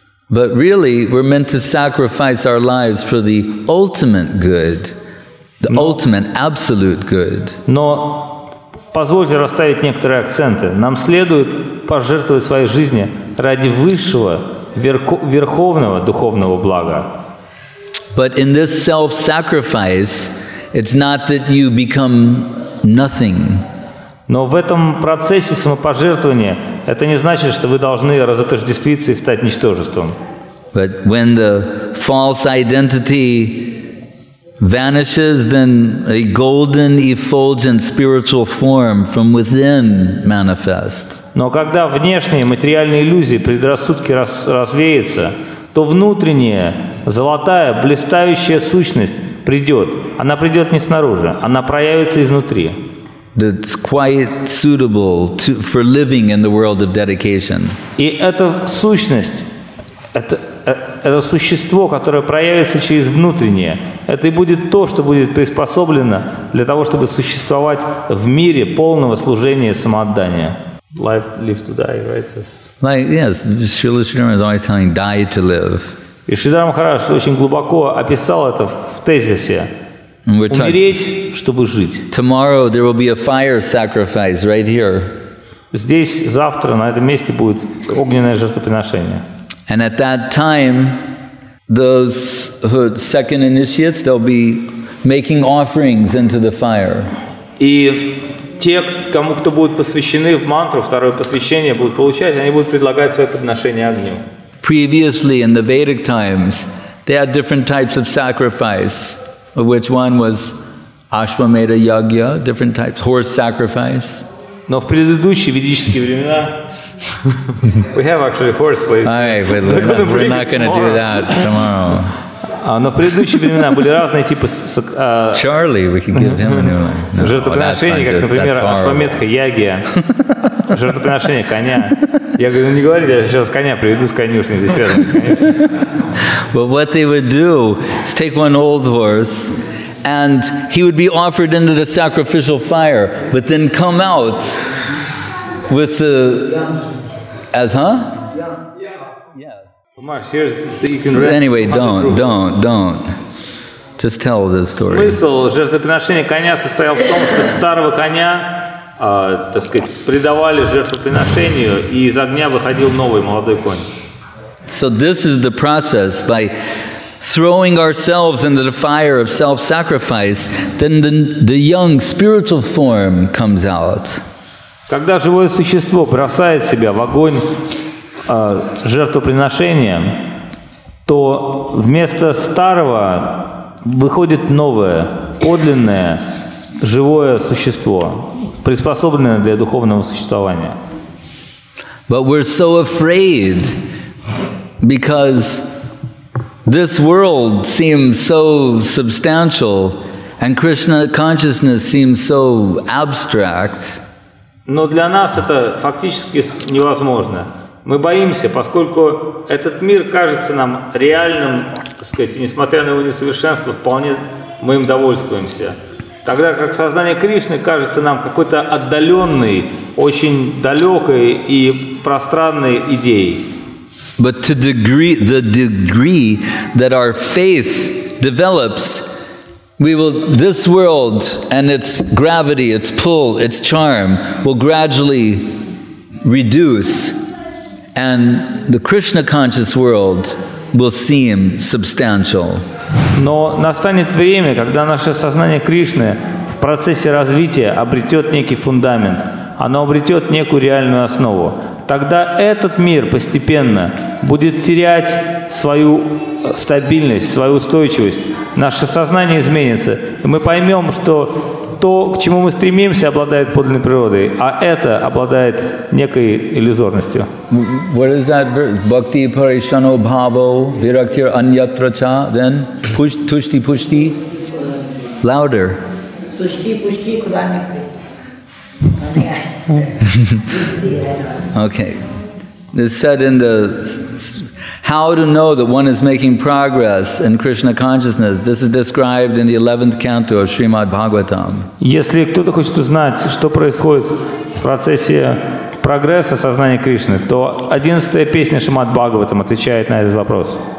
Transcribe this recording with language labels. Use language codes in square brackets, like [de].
[en] But really, we're meant to sacrifice our lives for the ultimate good. The ultimate, absolute good. [ru] Но позвольте расставить некоторые акценты. Нам следует пожертвовать своей жизни ради высшего, верховного духовного блага. [en] But in this self-sacrifice, it's not that you become nothing. [ru] Но в этом процессе самопожертвования это не значит, что вы должны разотождествиться и стать ничтожеством. [en] But when the false identity vanishes, then a golden effulgent spiritual form from within manifests. [ru] Но когда внешние материальные иллюзии, предрассудки развеются, то внутренняя золотая блистающая сущность придет. Она придет не снаружи, она проявится изнутри. [en] That's quite suitable for living in the world of dedication. [ru] И эта сущность, это существо, которое проявится через внутреннее, это и будет то, что будет приспособлено для того, чтобы существовать в мире полного служения и самоотдания. [en] Life, live to die, right? Like, yes, Śrīla Śrīdhara is always telling die to live. [ru] И Шридхар Махарадж очень глубоко описал это в тезисе. Умереть, чтобы жить. [en] Tomorrow there will be a fire sacrifice right here. [ru] Здесь завтра на этом месте будет огненное жертвоприношение. [en] And at that time, those second initiates, they'll be making offerings into the fire. [ru] И те, кому кто будет посвящены в мантру, второе посвящение будут получать, они будут предлагать свои подношения огню. [en] Previously, in the Vedic times, they had different types of sacrifice, of which one was Ashwamedha Yajna, different types, horse sacrifice. [ru] Но в предыдущие ведические времена [en] we have actually horse, please. All right, but we're not going to do that tomorrow. [ru] Но в предыдущие времена были разные типы... [en] Charlie, we can give him a new one. No. [ru] Жертвоприношение, как, например, Ашваметха Ягья. Жертвоприношение коня. Я говорю, не говори, я сейчас коня приведу с конюшни здесь рядом. [en] But what they would do is take one old horse, and he would be offered into the sacrificial fire, but then come out with the... Маш, here's the, you can anyway, don't. Just tell the story. [ru] Смысл жертвоприношения коня состоял в том, что старого коня, так сказать, предавали жертвоприношению, и из огня выходил новый молодой конь. [en] So this is the process by throwing ourselves into the fire of self-sacrifice, then the young spiritual form comes out. [ru] Когда живое существо бросает себя в огонь жертвоприношением, то вместо старого выходит новое, подлинное, живое существо, приспособленное для духовного существования. But we're so afraid because this world seems so substantial and Krishna consciousness seems so abstract. Но для нас это фактически невозможно. Мы боимся, поскольку этот мир кажется нам реальным, так сказать, несмотря на его несовершенство, вполне мы им довольствуемся. Тогда как сознание Кришны кажется нам какой-то отдаленной, очень далекой и пространной идеей. [en] But to the degree that our faith develops, we will this world and its gravity, its pull, its charm will gradually reduce. And the Krishna conscious world will seem substantial. [ru] Но настанет время, когда наше сознание Кришны в процессе развития обретет некий фундамент. оно обретет некую реальную основу. Тогда этот мир постепенно будет терять свою стабильность, свою устойчивость. Наше сознание изменится, и мы поймем, что то, к чему мы стремимся, обладает подлинной природой, а это обладает некой иллюзорностью. [en] What is that verse? [sa] Bhakti parishano bhavo viraktir anyatra cha. [en] Then [sa] tushti pushti. [en] Louder. Tushti pushti kuda nikli. Okay. It's said in the how to know that one is making progress in Krishna consciousness. This is described in the 11th canto of Srimad Bhagavatam. [ru] Если кто-то хочет узнать, что происходит в процессе прогресса сознания Кришны, то 11-я песня Шримад Бхагаватам отвечает на этот вопрос.